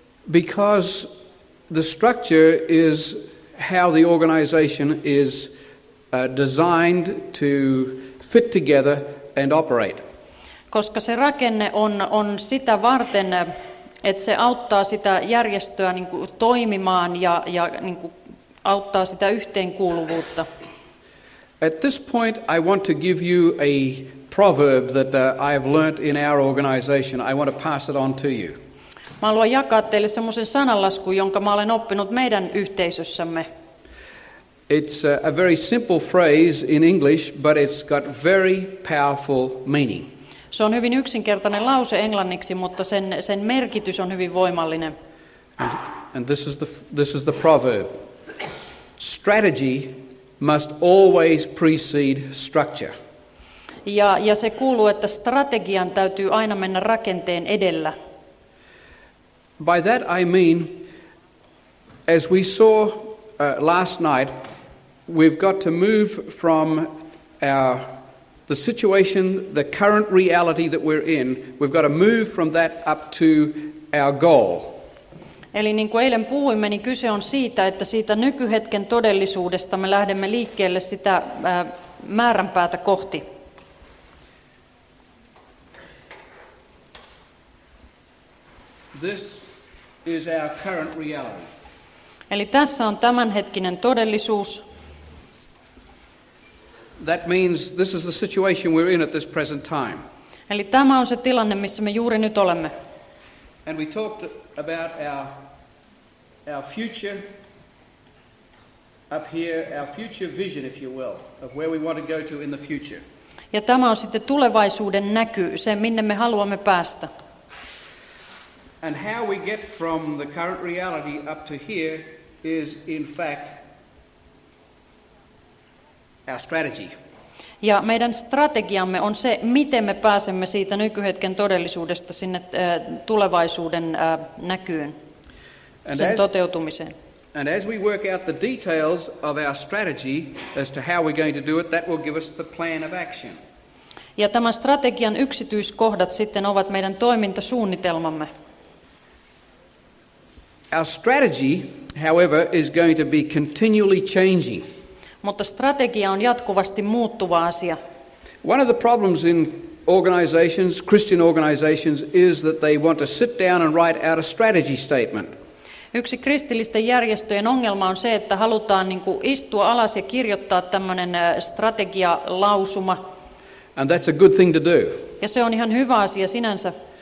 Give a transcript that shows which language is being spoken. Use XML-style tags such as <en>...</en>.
<en>Because the structure is how the organization is designed to fit together and operate.</en> <fi>Koska se rakenne on sitä varten, että se auttaa sitä järjestöä niin kuin toimimaan ja niin kuin auttaa sitä yhteenkuuluvuutta.</fi> <en>At this point I want to give you a proverb that I've learnt in our organization. I want to pass it on to you.</en> <fi>Mä haluan jakaa teille semmoisen sananlaskun, jonka mä olen oppinut meidän yhteisössämme.</fi> <en>It's a very simple phrase in English, but it's got very powerful meaning.</en> <fi>Se on hyvin yksinkertainen lause englanniksi, mutta sen merkitys on hyvin voimallinen.</fi> <en>And this is the proverb. Strategy must always precede structure.</en> <fi>Ja se kuuluu, että strategian täytyy aina mennä rakenteen edellä.</fi> <en>By that I mean, as we saw last night, we've got to move from the situation, the current reality that we're in, we've got to move from that up to our goal.</en> <fi>Eli niin kuin eilen puhuimme, niin kyse on siitä, että siitä nykyhetken todellisuudesta me lähdemme liikkeelle sitä määränpäätä kohti.</fi> <en>This is our current reality.</en> <fi>Eli tässä on tämänhetkinen todellisuus.</fi> <en>That means this is the situation we're in at this present time.</en> <fi>Eli tämä on se tilanne, missä me juuri nyt olemme.</fi> <en>And we talked about our future up here, our future vision, if you will, of where we want to go to in the future.</en> <fi>Ja tämä on sitten tulevaisuuden näky, se minne me haluamme päästä.</fi> <en>And how we get from the current reality up to here is in fact our strategy.</en> <fi>Ja meidän strategiamme on se, miten me pääsemme siitä nykyhetken todellisuudesta sinne tulevaisuuden näkyyn, sen toteutumiseen.</fi> <en>And as we work out the details of our strategy as to how we're going to do it, that will give us the plan of action.</en> <fi>Ja tämän strategian yksityiskohdat sitten ovat meidän toimintasuunnitelmamme.</fi> <en>Our strategy, however, is going to be continually changing.</en> <fi>Mutta strategia on jatkuvasti muuttuva asia.</fi> <en>One of the problems in organizations, Christian organizations, is that they want to sit down and write out a strategy statement.</en> <fi>Yksi kristillisten järjestöjen ongelma on se, että halutaan niin kuin istua alas ja kirjoittaa tämmöinen strategialausuma.</fi> <en>And that's a good thing to do.</en> <fi>Ja se on ihan hyvä asia sinänsä.</fi>